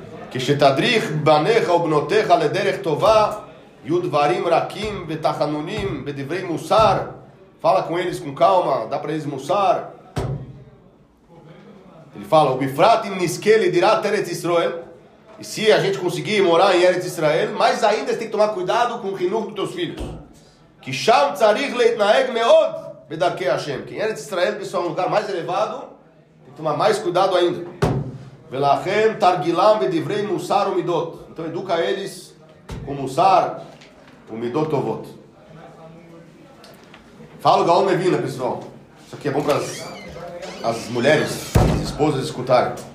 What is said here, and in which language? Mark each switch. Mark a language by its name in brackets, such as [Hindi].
[Hebrew] כשתדריך בניך ובנותיך לדרך טובה, יהיו דברים רכים ותחנונים בדברי מוסר. [Portuguese] Fala com eles com calma, dá para eles mussar. Ele fala, [Hebrew] ובפרט אם נזכה לדירת ארץ ישראל, [Portuguese] e se a gente conseguir morar em ארץ ישראל, mas ainda você tem que tomar cuidado com o חינוך dos teus filhos. [Hebrew] כי שם צריך להתנהג מאוד בדרכי השם. [Portuguese] Que em ארץ ישראל, pessoal, é um lugar mais elevado, tem que tomar mais cuidado ainda. [Hebrew] Velachem targilam bedivrei musar umidot. [Portuguese] Então educa eles com musar umidot tovot. Fala o Gaon Mivina, pessoal. Isso aqui é bom para as mulheres, as esposas escutarem.